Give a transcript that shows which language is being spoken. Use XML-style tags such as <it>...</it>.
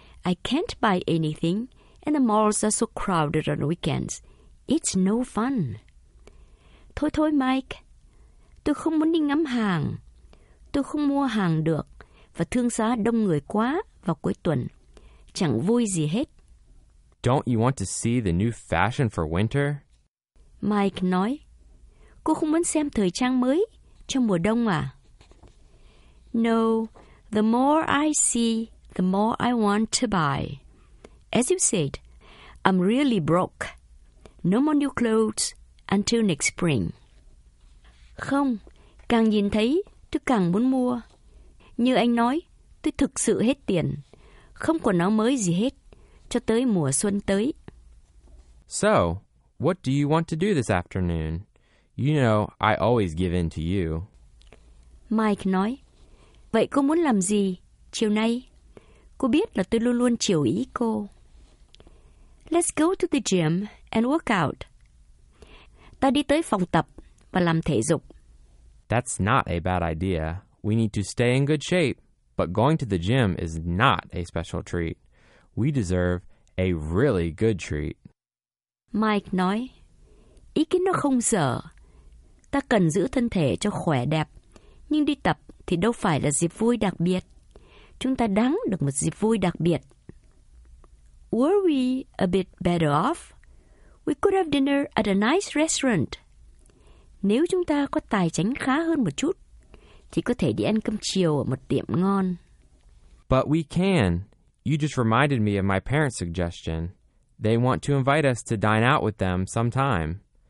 <en>I can't buy anything, and the malls are so crowded on weekends. It's no fun.</en> <vi>Thôi thôi,</vi> <en>Mike.</en> <vi>Tôi không muốn đi ngắm hàng. Tôi không mua hàng được và thương xá đông người quá vào cuối tuần. Chẳng vui gì hết.</vi> <en>Don't you want to see the new fashion for winter?</en> <vi>Mike nói. Cô không muốn xem thời trang mới trong mùa đông à?</vi> <en>No, the more I see, the more I want to buy. As you said, I'm really broke. No more new clothes until next spring.</en> <vi>Không, càng nhìn thấy, tôi càng muốn mua. Như anh nói, tôi thực sự hết tiền. Không quần áo mới gì hết, cho tới mùa xuân tới.</vi> <en>So, what do you want to do this afternoon? You know, I always give in to you.</en> <vi>Mike nói, vậy cô muốn làm gì chiều nay? Cô biết là tôi luôn luôn chiều ý cô.</vi> <en>Let's go to the gym and work out.</en> <vi>Ta đi tới phòng tập. Và làm thể dục.</vi> <en>That's not a bad idea. We need to stay in good shape. But going to the gym is not a special treat. We deserve a really good treat.</en> <vi>Mike nói, ý kiến nó không dở. Ta cần giữ thân thể cho khỏe đẹp, nhưng đi tập thì đâu phải là dịp vui đặc biệt. Chúng ta đáng được một dịp vui đặc biệt.</vi> <en>Were we a bit better off? We could have dinner at a nice restaurant.</en> <vi>Nếu chúng ta có tài chính khá hơn một chút, thì có thể đi ăn cơm chiều ở một tiệm ngon.</vi> <en>But we can. You just reminded me of my parents' suggestion. They want to invite us to dine out with them sometime.</en>